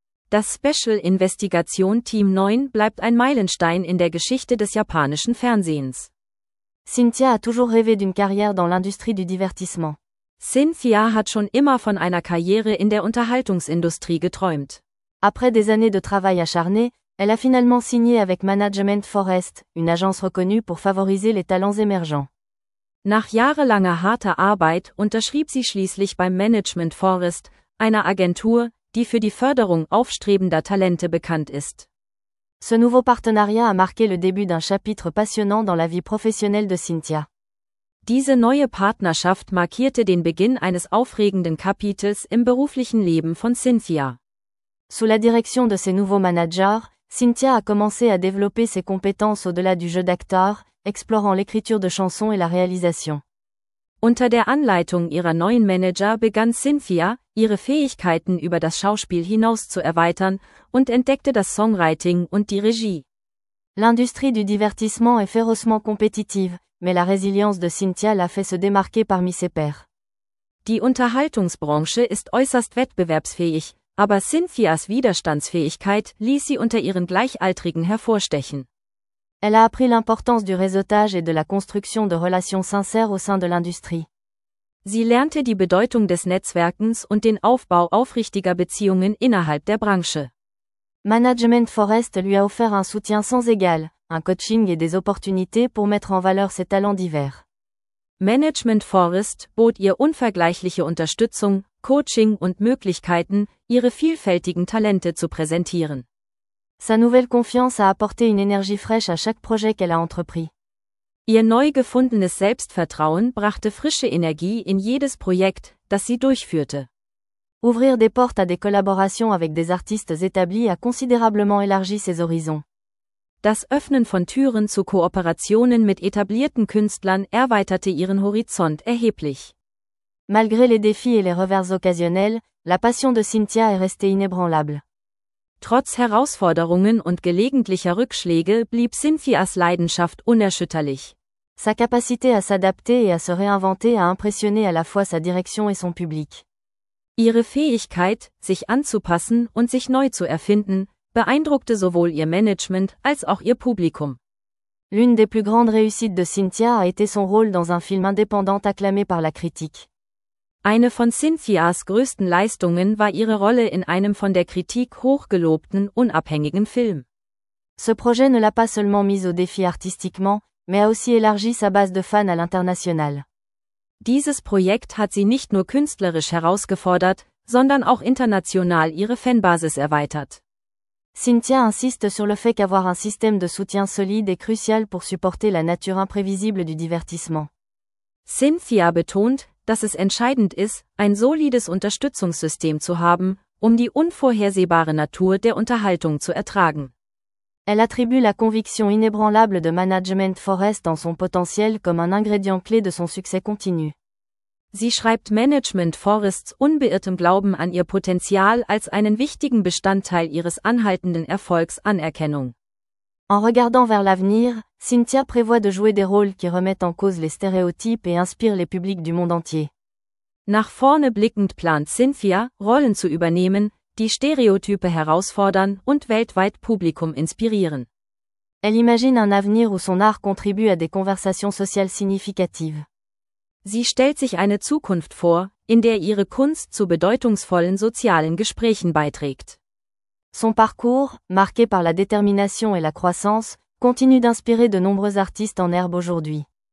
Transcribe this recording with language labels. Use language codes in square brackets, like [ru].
[de] Das Special Investigation Team 9 bleibt ein Meilenstein in der Geschichte des japanischen Fernsehens. [fr] Cynthia a toujours rêvé d'une carrière dans l'industrie du divertissement. [de] Cynthia hat schon immer von einer Karriere in der Unterhaltungsindustrie geträumt. [fr] Après des années de travail acharné, elle a finalement signé avec Management Forest, une agence reconnue pour favoriser les talents émergents. [de] Nach jahrelanger harter Arbeit unterschrieb sie schließlich beim Management Forest, einer Agentur, die für die Förderung aufstrebender Talente bekannt ist. [fr] Ce nouveau partenariat a marqué le début d'un chapitre passionnant dans la vie professionnelle de Cynthia. [de] Diese neue Partnerschaft markierte den Beginn eines aufregenden Kapitels im beruflichen Leben von Cynthia. [fr] Sous la direction de ses nouveaux managers, Cynthia a commencé à développer ses compétences au-delà du jeu d'acteur, explorant l'écriture de chansons et la réalisation. [de] Unter der Anleitung ihrer neuen Manager begann Cynthia, ihre Fähigkeiten über das Schauspiel hinaus zu erweitern und entdeckte das Songwriting und die Regie. [fr] L'industrie du divertissement est férocement compétitive, mais la résilience de Cynthia l'a fait se démarquer parmi ses pairs. [de] Die Unterhaltungsbranche ist äußerst wettbewerbsfähig. Aber Cynthias Widerstandsfähigkeit ließ sie unter ihren Gleichaltrigen hervorstechen. [fr] Elle a appris l'importance du réseautage et de la construction de relations sincères au sein de l'industrie. [de] Sie lernte die Bedeutung des Netzwerkens und den Aufbau aufrichtiger Beziehungen innerhalb der Branche. [fr] Management Forest lui a offert un soutien sans égal, un coaching et des opportunités pour mettre en valeur ses talents divers. [de] Management Forest bot ihr unvergleichliche Unterstützung, Coaching und Möglichkeiten, ihre vielfältigen Talente zu präsentieren. [fr] Sa nouvelle confiance a apporté une énergie fraîche à chaque projet qu'elle a entrepris. [de] Ihr neu gefundenes Selbstvertrauen brachte frische Energie in jedes Projekt, das sie durchführte. [fr] Ouvrir des portes à des collaborations avec des artistes établis a considérablement élargi ses horizons. [de] Das Öffnen von Türen zu Kooperationen mit etablierten Künstlern erweiterte ihren Horizont erheblich. [fr] Malgré les défis et les revers occasionnels, la passion de Cynthia est restée inébranlable. [de] Trotz Herausforderungen und gelegentlicher Rückschläge blieb Cynthias Leidenschaft unerschütterlich. [fr] Sa capacité à s'adapter et à se réinventer a impressionné à la fois sa direction et son public. [de] Ihre Fähigkeit, sich anzupassen und sich neu zu erfinden, beeindruckte sowohl ihr Management als auch ihr Publikum. [fr] L'une des plus grandes réussites de Cynthia a été son rôle dans un film indépendant acclamé par la critique. [de] Eine von Cynthias größten Leistungen war ihre Rolle in einem von der Kritik hochgelobten unabhängigen Film. [fr] Ce projet ne l'a pas seulement mise au défi artistiquement, mais a aussi élargi sa base de fans à l'international. [de] Dieses Projekt hat sie nicht nur künstlerisch herausgefordert, sondern auch international ihre Fanbasis erweitert. [fr] Cynthia insiste sur le fait qu'avoir un système de soutien solide est crucial pour supporter la nature imprévisible du divertissement. [de] Cynthia betont, dass es entscheidend ist, ein solides Unterstützungssystem zu haben, um die unvorhersehbare Natur der Unterhaltung zu ertragen. [fr] Elle attribue la conviction inébranlable de Management Forest en son potentiel comme un ingrédient clé de son succès continu. [de] Sie schreibt Management Forests unbeirrtem Glauben an ihr Potenzial als einen wichtigen Bestandteil ihres anhaltenden Erfolgs Anerkennung. [fr] En regardant vers l'avenir, Cynthia prévoit de jouer des rôles qui remettent en cause les stéréotypes et inspirent les publics du monde entier. [de] Nach vorne blickend plant Cynthia, Rollen zu übernehmen, die Stereotype herausfordern und weltweit Publikum inspirieren. [fr] Elle imagine un avenir où son art contribue à des conversations sociales significatives. [de] Sie stellt sich eine Zukunft vor, in der ihre Kunst zu bedeutungsvollen sozialen Gesprächen beiträgt. [fr] Son parcours, marqué par la détermination et la croissance, continue d'inspirer de nombreux artistes en herbe aujourd'hui.